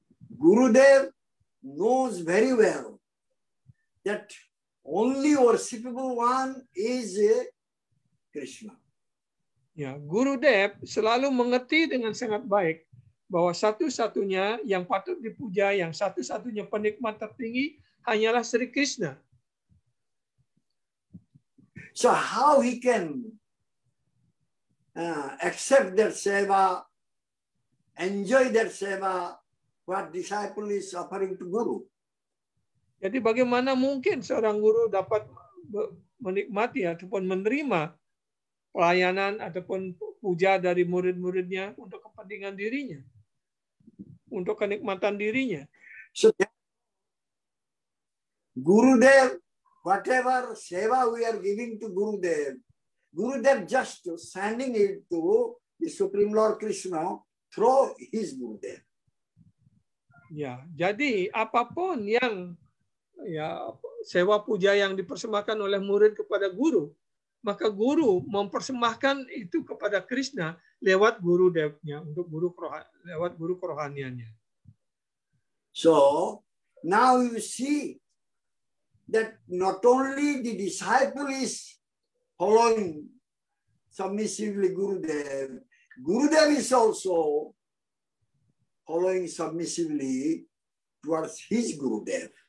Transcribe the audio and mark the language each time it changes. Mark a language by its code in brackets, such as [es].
[en] Gurudev knows very well that only worshipable one is Krishna. [id] Ya, Gurudev selalu mengerti dengan sangat baik bahwa satu-satunya yang patut dipuja, yang satu-satunya penikmat tertinggi hanyalah Sri Krishna. [en] So how he can accept that seva, enjoy that seva, what disciple is offering to guru? [id] Jadi bagaimana mungkin seorang guru dapat menikmati ataupun menerima pelayanan ataupun puja dari murid-muridnya untuk kepentingan dirinya, untuk kenikmatan dirinya? [en] So, Gurudev, whatever seva we are giving to Gurudev, Gurudev just sending it to the Supreme Lord Krishna through his Gurudev. [id] Ya, jadi apapun yang ya seva puja yang dipersembahkan oleh murid kepada guru, maka guru mempersembahkan itu kepada Krishna lewat guru devnya, untuk guru lewat guru kerohaniannya. [en] So now you see that not only the disciple is following submissively Gurudev, Gurudev is also following submissively towards his Gurudev.